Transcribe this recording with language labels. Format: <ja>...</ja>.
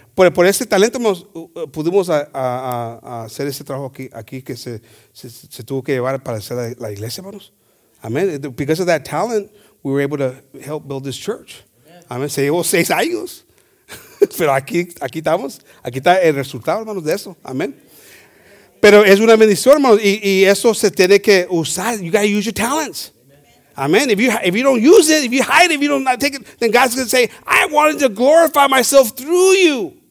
<es>Por ese talento pudimos hacer ese trabajo aquí que se tuvo que llevar para hacer la iglesia, hermanos. Amen.</es> <en>Because of that talent, we were able to help build this church.</en> <es>Amen. Se llevó 6 años. Pero aquí estamos. Aquí está el resultado, hermanos, de eso. Amen. Pero es una bendición, hermanos, y eso se tiene que usar.</es> <en>You gotta use your talents. Amen. If you don't use it, if you hide it, if you don't not take it, then God's gonna say, I wanted to glorify myself through you.</en>